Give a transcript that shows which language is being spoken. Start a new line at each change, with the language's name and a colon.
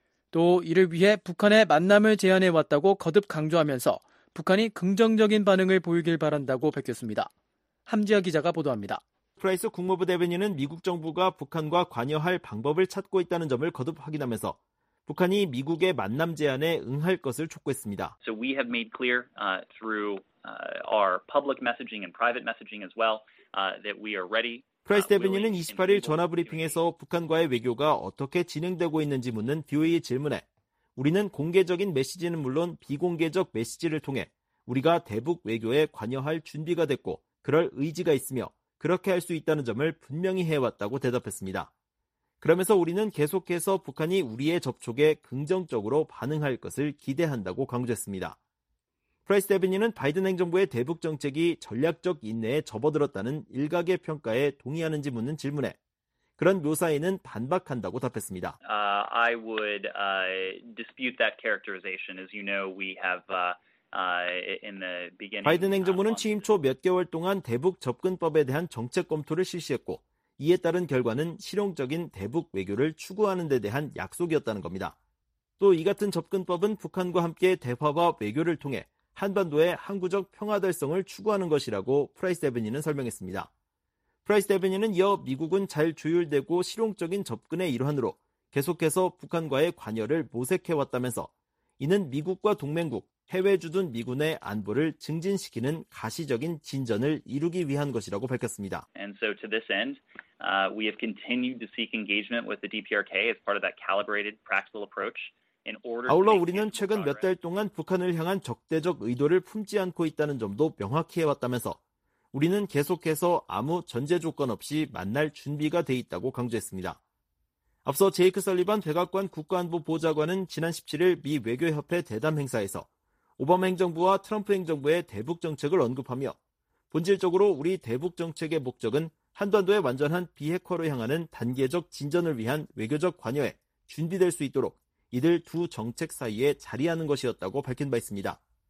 Korean: 또 이를 위해 북한의 만남을 제안해왔다고 거듭 강조하면서 북한이 긍정적인 반응을 보이길 바란다고 밝혔습니다. 함지아 기자가 보도합니다. 프라이스 국무부 대변인은 미국 정부가 북한과 관여할 방법을 찾고 있다는 점을 거듭 확인하면서 북한이 미국의 만남 제안에 응할 것을 촉구했습니다.
English: So we have made clear through our public messaging and private messaging as well that we are ready.
Korean: 프라이스 대변인은 28일 전화 브리핑에서 북한과의 외교가 어떻게 진행되고 있는지 묻는 BOE의 질문에 우리는 공개적인 메시지는 물론 비공개적 메시지를 통해 우리가 대북 외교에 관여할 준비가 됐고 그럴 의지가 있으며 그렇게 할 수 있다는 점을 분명히 해왔다고 대답했습니다. 그러면서 우리는 계속해서 북한이 우리의 접촉에 긍정적으로 반응할 것을 기대한다고 강조했습니다. 프라이스 대변인은 바이든 행정부의 대북 정책이 전략적 인내에 접어들었다는 일각의 평가에 동의하는지 묻는 질문에 그런 묘사에는 반박한다고 답했습니다.
English: I would dispute that characterization. As you know, we have in the beginning.
Korean: 바이든 행정부는 취임 초 몇 개월 동안 대북 접근법에 대한 정책 검토를 실시했고 이에 따른 결과는 실용적인 대북 외교를 추구하는 데 대한 약속이었다는 겁니다. 또 이 같은 접근법은 북한과 함께 대화와 외교를 통해 한반도의 항구적 평화 달성을 추구하는 것이라고 프라이스 대변인은 설명했습니다. 프라이스 대변인은 이어 미국은 잘 조율되고 실용적인 접근의 일환으로 계속해서 북한과의 관여를 모색해왔다면서 이는 미국과 동맹국, 해외 주둔 미군의 안보를 증진시키는 가시적인 진전을 이루기 위한 것이라고 밝혔습니다.
English: And so to this end, we have continued to seek engagement with the DPRK as part of that calibrated practical approach.
Korean: 아울러 우리는 최근 몇 달 동안 북한을 향한 적대적 의도를 품지 않고 있다는 점도 명확히 해왔다면서 우리는 계속해서 아무 전제 조건 없이 만날 준비가 돼 있다고 강조했습니다. 앞서 제이크 설리반 백악관 국가안보 보좌관은 지난 17일 미 외교협회 대담 행사에서 오바마 행정부와 트럼프 행정부의 대북 정책을 언급하며 본질적으로 우리 대북 정책의 목적은 한반도의 완전한 비핵화로 향하는 단계적 진전을 위한 외교적 관여에 준비될 수 있도록 이들 두 정책 사이에 자리하는 것이었다고 밝힌 바 있습니다.